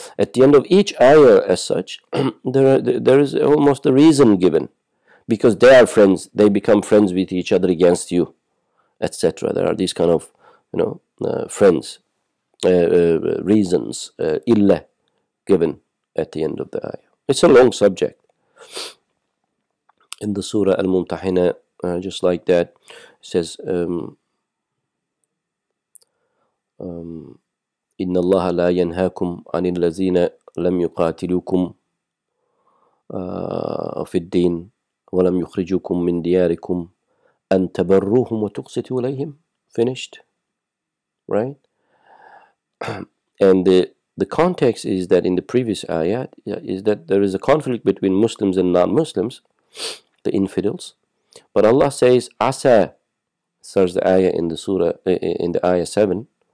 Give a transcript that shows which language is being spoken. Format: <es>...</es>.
<en>At the end of each ayah as such, there is almost a reason given. Because they are friends, they become friends with each other against you, etc. There are these kind of, you know, friends, reasons, illa, given at the end of the ayah. It's a long subject. In the Surah Al-Mumtahina, just like that, it says,</en> <ar>إن الله لا ينهاكم عن الذين لم يقاتلوكم في الدين ولم يخرجوكم من دياركم أن تبروهم وتقسطوا إليهم.</ar> <en>Finished, right? And the context is that in the previous ayat is that there is a conflict between Muslims and non-Muslims, the infidels. But Allah says, "Asa," starts the ayah in the surah in the ayah 7.</en>